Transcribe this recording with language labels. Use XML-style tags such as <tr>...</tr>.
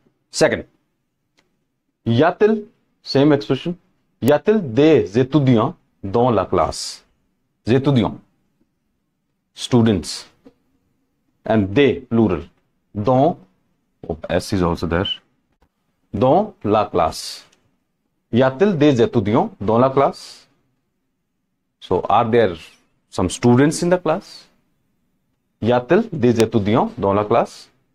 <en>Second, yatil, same expression.</en> <fr>Y a-t-il des étudiants dans la classe?</fr> <en>étudiants, students, and they, plural, dans, oh, S is also there,</en> <fr>dans la classe. Y a-t-il des étudiants dans la classe?</fr> <en>So, are there some students in the class?</en> <fr>Y a-t-il des étudiants dans la classe?</fr>